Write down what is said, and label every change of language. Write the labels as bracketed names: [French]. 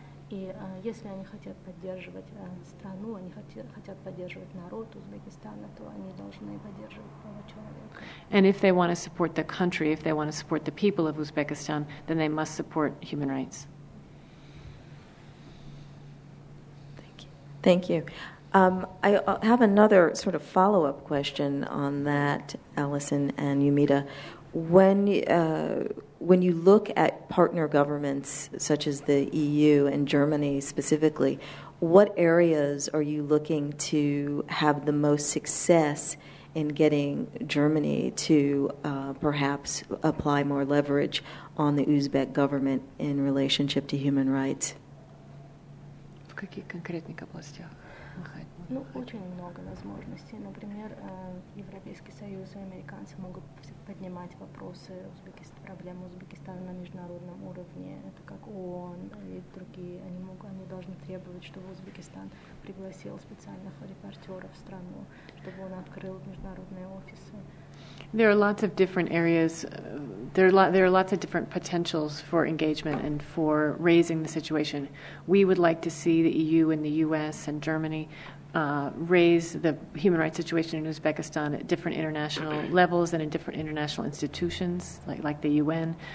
[Russian] И если они хотят поддерживать страну, они хотят поддерживать народ Узбекистана, то они должны поддерживать права человека. [English] And if they want to support the country, if they want to support the people of Uzbekistan, then they must support human rights. Thank you. I have another sort of follow-up question on that, Alison and Yumida. When you look at partner governments such as the EU and Germany specifically, what areas are you looking to have the most success in getting Germany to perhaps apply more leverage on the Uzbek government in relationship to human rights? [Russian] В каких конкретных областях? Ну, очень много возможностей. Например, Европейский Союз и американцы могут поднимать вопросы проблемы Узбекистана на международном уровне. Это как ООН и другие. Они должны требовать, чтобы Узбекистан пригласил специальных репортеров в страну, чтобы он открыл международные офисы. [English] There are lots of different areas. There are lots of different potentials for engagement and for raising the situation. We would like to see the EU and the US and Germany raise the human rights situation in Uzbekistan at different international levels and in different international institutions, like the UN.